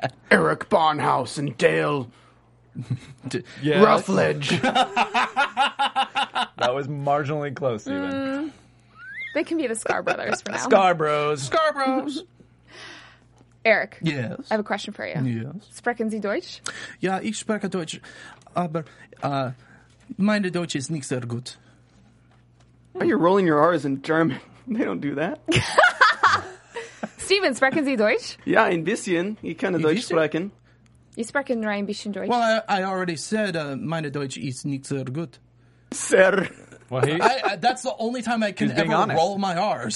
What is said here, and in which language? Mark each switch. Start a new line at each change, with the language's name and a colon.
English: Eric Barnhouse and Dale Ruffledge. That was marginally close, even. They can be the Scar Brothers for now. Scar Bros. Scar Bros. Eric. Yes. I have a question for you. Yes.
German: Sprechen Sie Deutsch? Ja, ich spreche Deutsch. Aber meine Deutsch ist nicht sehr gut.
English: Oh, you're rolling your R's in German. They don't do that.
German: Steven, sprechen Sie Deutsch? Ja, ein bisschen. Ich kann Deutsch sprechen. Ich spreche nur ein bisschen Deutsch.
English: Well, I already said
German: meine Deutsch ist nicht sehr gut. Sehr.
English: Well, that's the only time I can ever roll my R's.